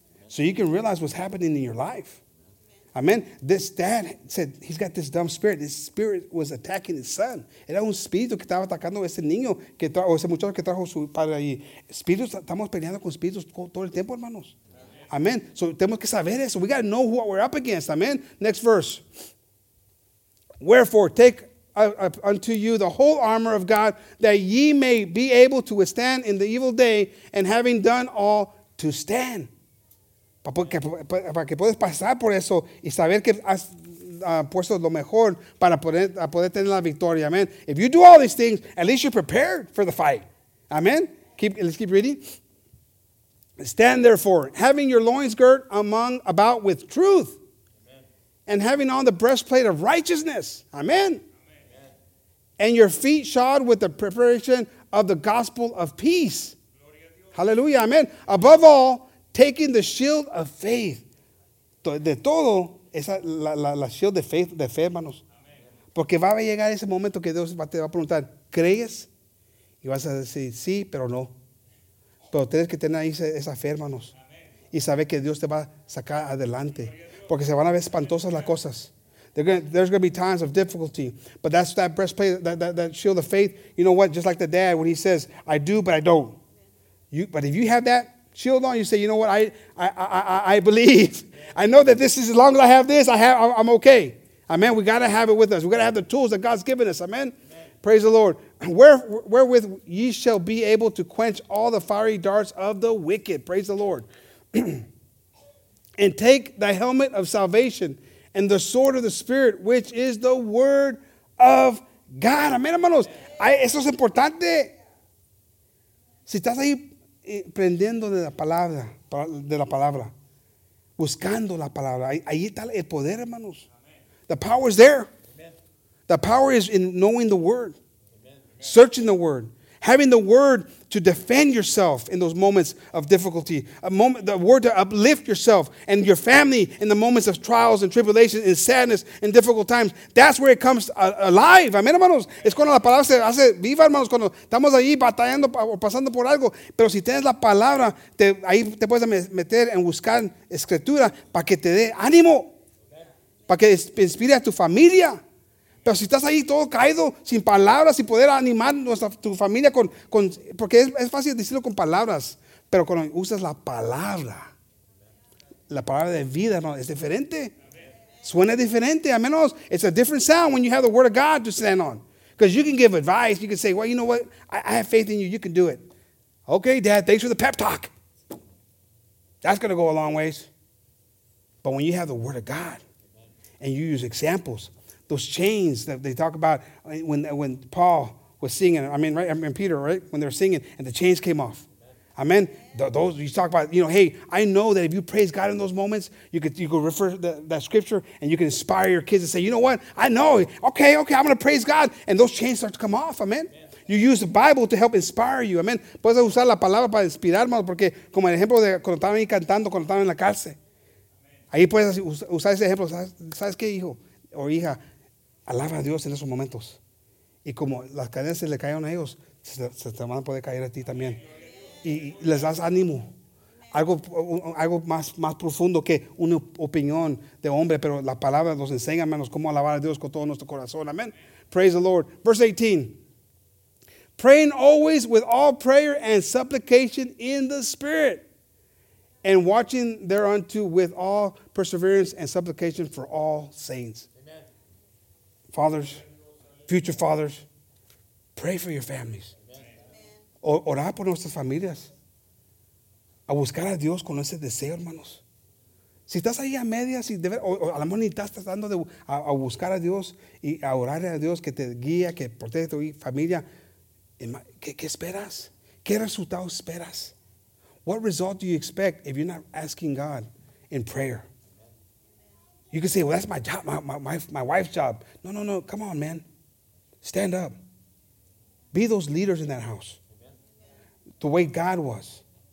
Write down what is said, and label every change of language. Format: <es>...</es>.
<en>So you can realize what's happening in your life. Amen. This dad said he's got this dumb spirit. This spirit was attacking his son.</en> <es>Era un espíritu que estaba atacando ese niño que o ese muchacho que trajo su padre ahí. Espíritus, estamos peleando con espíritus todo el tiempo, hermanos. Amen. So tenemos que saber eso.</es> <en>We got to know who we're up against. Amen. Next verse. Wherefore, take unto you the whole armor of God, that ye may be able to withstand in the evil day, and having done all, to stand.</en> <es>Para que puedas pasar por eso y saber que has puesto lo mejor para poder tener la victoria.</es> <en>Amen. If you do all these things, at least you're prepared for the fight. Amen. Let's keep reading. Stand therefore, having your loins girt about with truth, and having on the breastplate of righteousness. Amen. And your feet shod with the preparation of the gospel of peace. Hallelujah. Amen. Above all, taking the shield of faith.</en> <es>De todo, esa la shield de faith, de fe, hermanos. Porque va a llegar ese momento que Dios te va a preguntar, ¿crees? Y vas a decir, sí, pero no. Pero tienes que tener ahí esa fe, hermanos. Y saber que Dios te va a sacar adelante. Porque se van a ver espantosas las cosas.</es> <en>There's going to be times of difficulty. But that's that breastplate, that shield of faith. You know what? Just like the dad when he says, I do, but I don't. But if you have that shield on, you say, you know what? I believe. I know that this is, as long as I have this, I'm okay. Amen. We got to have it with us. We got to have the tools that God's given us. Amen. Praise the Lord. Wherewith ye shall be able to quench all the fiery darts of the wicked. Praise the Lord. And take the helmet of salvation and the sword of the Spirit, which is the word of God.</en> <es>Amén, hermanos. Eso es importante. Si estás ahí aprendiendo de la palabra, buscando la palabra, ahí está el poder, hermanos.</es> <en>The power is there. The power is in knowing the word. Searching the word. Having the word to defend yourself in those moments of difficulty. The word to uplift yourself and your family in the moments of trials and tribulation and sadness and difficult times. That's where it comes alive. Amen, hermanos.</en> <es>Es cuando la palabra se hace viva, hermanos. Cuando estamos ahí batallando o pasando por algo. Pero si tienes la palabra, ahí te puedes meter en buscar escritura para que te dé ánimo. Para que inspire a tu familia. Pero si estás ahí todo caído, sin palabras, sin poder animar tu familia con porque es fácil decirlo con palabras, pero cuando usas la palabra de vida, hermano, es diferente. Suena diferente, al menos.</es> <en>It's a different sound when you have the word of God to stand on. Because you can give advice. You can say, well, you know what? I have faith in you. You can do it. Okay, Dad, thanks for the pep talk. That's going to go a long ways. But when you have the word of God and you use examples, those chains that they talk about when Paul was singing, Peter, right? When they were singing and the chains came off. Amen. Those you talk about, you know, hey, I know that if you praise God in those moments, you could refer to that scripture and you can inspire your kids and say, you know what? I know. Okay, I'm going to praise God. And those chains start to come off. Amen. You use the Bible to help inspire you. Amen.</en> <es>Puedes usar la palabra para inspirar, más porque como el ejemplo de cuando estaban ahí cantando, cuando estaban en la cárcel. Ahí puedes usar ese ejemplo. ¿Sabes qué, hijo? O hija, alaba a Dios en esos momentos. Y como las cadenas se le caen a ellos, se te van a poder caer a ti también. Y les das ánimo. Algo más profundo que una opinión de hombre, pero la palabra nos enseña, hermanos, cómo alabar a Dios con todo nuestro corazón.</es> <en>Amén. Praise the Lord. Verse 18. Praying always with all prayer and supplication in the Spirit, and watching thereunto with all perseverance and supplication for all saints. Amen. Fathers, future fathers, pray for your families. Amen.</en> <es>Orar por nuestras familias. A buscar a Dios con ese deseo, hermanos. Si estás ahí a medias, a lo mejor ni estás tratando de a buscar a Dios y a orar a Dios que te guía, que protege a tu familia, ¿qué esperas? ¿Qué resultado esperas?</es> <en>What result do you expect if you're not asking God in prayer? You can say, well, that's my job, my wife's job. No, come on, man. Stand up. Be those leaders in that house. The way God was.</en>